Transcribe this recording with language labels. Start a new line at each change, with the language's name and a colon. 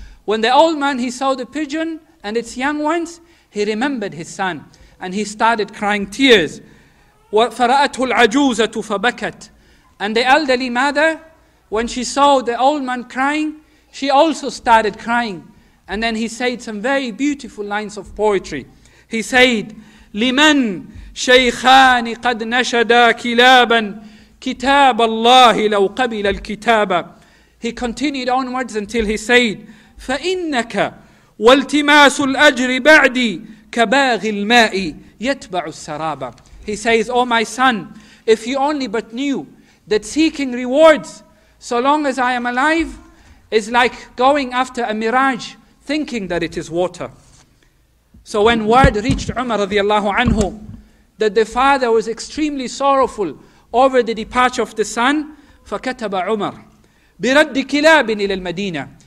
English: When the old man, he saw the pigeon and its young ones, he remembered his son. And he started crying tears.
Arabic: فَرَأَتْهُ الْعَجُوزَةُ فَبَكَتْ.
English: And the elderly mother, when she saw the old man crying, she also started crying. And then he said some very beautiful lines of poetry. He said,
Arabic: لِمَنْ شَيْخَانِ قَدْ نَشَدَا كِلَابًا كِتَابَ اللَّهِ لَوْ قَبِلَ الْكِتَابَ.
English: He continued onwards until he said,
Arabic: فَإِنَّكَ وَالْتِمَاسُ الْأَجْرِ بَعْدِي كَبَاغِ الْمَاءِ يَتْبَعُ السَّرَابَ.
English: He says, oh my son, if you only but knew that seeking rewards, so long as I am alive, is like going after a mirage, thinking that it is water. So when word reached Umar radiallahu anhu that the father was extremely sorrowful over the departure of the son,
Arabic: فَكَتَبَ عُمَرْ بِرَدِّ كِلَابٍ إِلَى الْمَدِينَةِ.